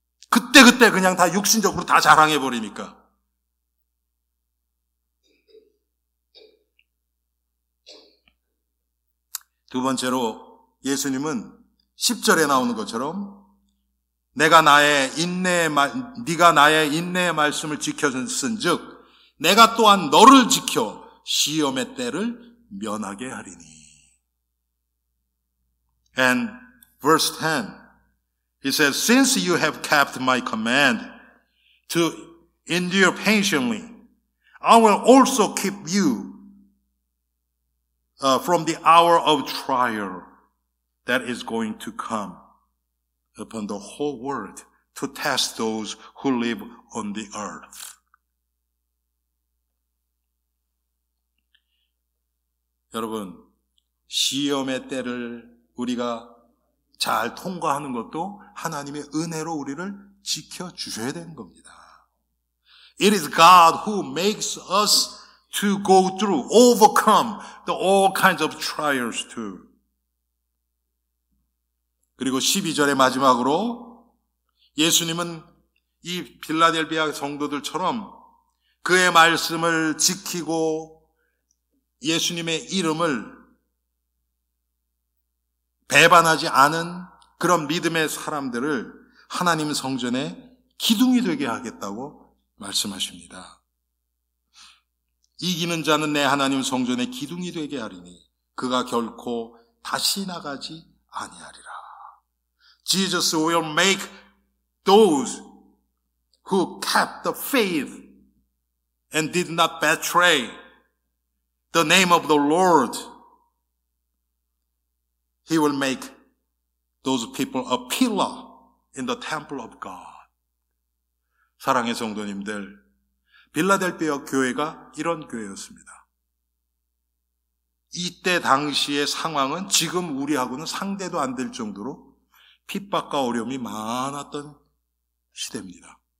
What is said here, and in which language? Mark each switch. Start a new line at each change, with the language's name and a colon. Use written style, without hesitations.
Korean: 그때그때 그냥 다 육신적으로 다 자랑해버리니까 두 번째로 예수님은 10절에 나오는 것처럼 네가 나의 인내의 말씀을 지켜준즉 내가 또한 너를 지켜 시험의 때를 면하게 하리니.
English: And Verse 10. He says, since you have kept my command to endure patiently, I will also keep you from the hour of trial that is going to come upon the whole world to test those who live on the earth. Mm-hmm.
Korean: 여러분, 시험의 때를 우리가 잘 통과하는 것도 하나님의 은혜로 우리를 지켜주셔야 되는 겁니다.
English: It is God who makes us to go through, overcome the all kinds of trials too.
Korean: 그리고 12절의 마지막으로 예수님은 이 빌라델비아 성도들처럼 그의 말씀을 지키고 예수님의 이름을 배반하지 않은 그런 믿음의 사람들을 하나님 성전에 기둥이 되게 하겠다고 말씀하십니다. 이기는 자는 내 하나님 성전에 기둥이 되게 하리니 그가 결코 다시 나가지 아니하리라.
English: Jesus will make those who kept the faith and did not betray the name of the Lord. He will make those people a pillar in the temple of God.
Korean: 사랑의 성도님들, 빌라델비아 교회가 이런 교회였습니다. 이때 당시의 상황은 지금 우리하고는 상대도 안 될 정도로 핍박과 어려움이 많았던 시대입니다.